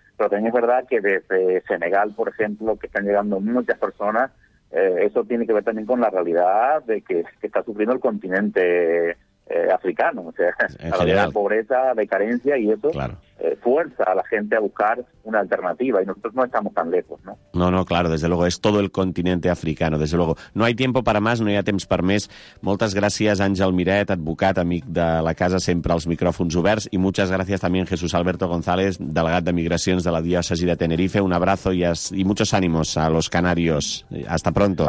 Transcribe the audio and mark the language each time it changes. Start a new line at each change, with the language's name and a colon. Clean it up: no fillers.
Spanish: Pero también es verdad que desde Senegal, por ejemplo, que están llegando muchas personas, eso tiene que ver también con la realidad de que está sufriendo el continente africano, o sea, en general, de pobreza, de carencia, y eso, claro, fuerza a la gente a buscar una alternativa, y nosotros no estamos tan lejos, ¿no? No, no, claro, desde luego, es todo el continente africano, desde luego. No hay tiempo para más,
Catalan: no hi ha temps per més. Moltes gràcies, Àngel Miret, advocat, amic de la casa, sempre als micròfons oberts, i moltes gràcies també a Jesús Alberto González, delegat de Migracions de la Diòcesi de Tenerife.
Spanish: Un abrazo y muchos ánimos a los canarios. Hasta pronto.